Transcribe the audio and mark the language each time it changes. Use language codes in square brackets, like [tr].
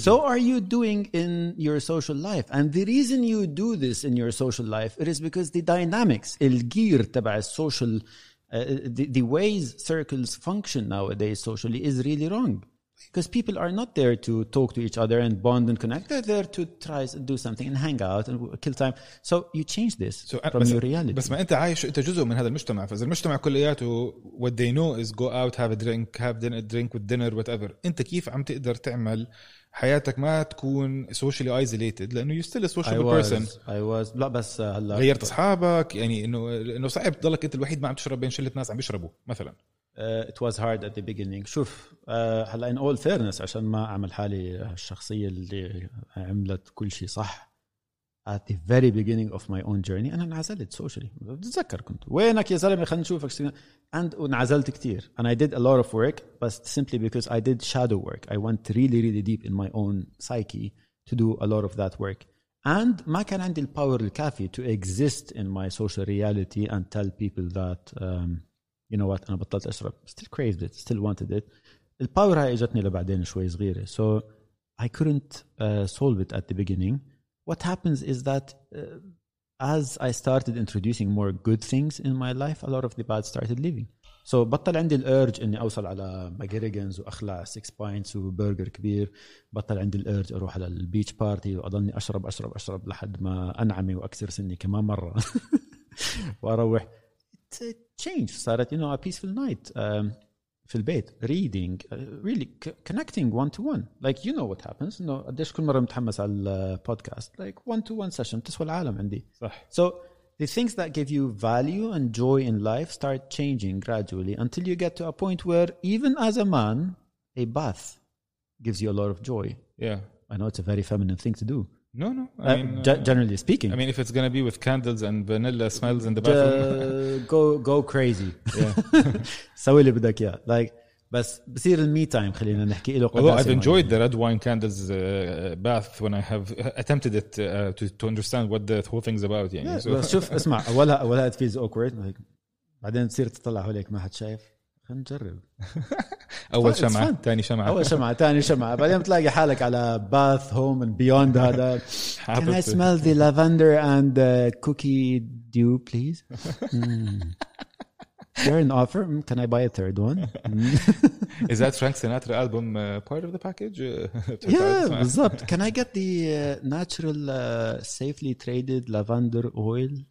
[en] so are you doing in your social life and the reason you do this in your social life it is because the dynamics الgear تبع social the ways circles function nowadays socially is really wrong Because people are not there to talk to each other and bond and connect. They're there to try to do something and hang out and kill time. So you change this so from your reality. [ar] بس ما أنت عايش أنت جزء من هذا المجتمع. فإذا المجتمع كلياته [en] what they know is go out, have a drink with dinner, whatever. [ar] أنت كيف عم تقدر تعمل حياتك ما تكون [en] socially isolated [ar] لأنه [en] you're still a social person. I was. [ar] لا بس هلا. غيرت أصحابك يعني إنه صعب ضلك أنت الوحيد ما عم تشرب بين شلة ناس عم يشربوا مثلاً. [en] It was hard at the beginning. [ar] شوف هلا [en] in all fairness [ar] عشان ما أعمل حالي الشخصية اللي عملت كل شيء صح. [en] At the very beginning of my own journey, [ar] أنا انعزلت [en] socially. [ar] تذكر كنت وينك يا زلمة خلنا نشوفك. And انعزلت كتير. [en] And I did a lot of work, but simply because I did shadow work. I went really, really deep in my own psyche to do a lot of that work. And [ar] ما كان عندي [en] the power الكافي to exist in my social reality and tell people that. You know what? [ar] أنا بطلت أشرب. [en] Still craved it. Still wanted it. [ar] الباور هاي إجتني لبعدين شوي صغيرة. [en] So I couldn't solve it at the beginning. What happens is that as I started introducing more good things in my life, a lot of the bad started leaving. [ar] So بطل عندي الأرج إني أوصل على ماجيريجنز وأخلع سيكس باينتس وبرجر كبير. بطل عندي الأرج أروح على البيتش بارتي وأضلني أشرب أشرب أشرب لحد ما أنعمي وأكسر سني كمان مرة وأروح. [en] It changed. صارت you know a peaceful night. [ar] في البيت [en] reading really connecting one to one, like you know what happens, you know, [ar] قديش كل مرة متحمس على البودكاست, [en] like one to one session [ar] تسوى العالم عندي. صح. [en] So the things that give you value and joy in life start changing gradually until you get to a point where even as a man a bath gives you a lot of joy. Yeah, I know it's a very feminine thing to do. No, I mean, generally speaking, I mean, if it's gonna be with candles and vanilla smells in the bathroom, go crazy. [ar] سوي اللي بدك يا. Like, بس بصير المي تايم خلينا نحكي له. [en] Although I've enjoyed the red wine candles bath when I have attempted it to understand what the whole thing's about. [ar] يعني. [en] Yeah. So. [ar] شوف اسمع أولها [en] it feels awkward. [ar] Like, بعدين تصير تطلع هوليك ما حد شايف. خلينا نجرب. أول شمعة تاني شمعة بعدين تلاقي حالك على [en] bath home and beyond [ar] هذا. [en] Can I smell the lavender and the cookie dew please? You're an offer. Can I buy a third one? Is that Frank Sinatra album part of the package? [ar] Yeah, بالضبط. [en] Can I get the natural safely traded lavender oil?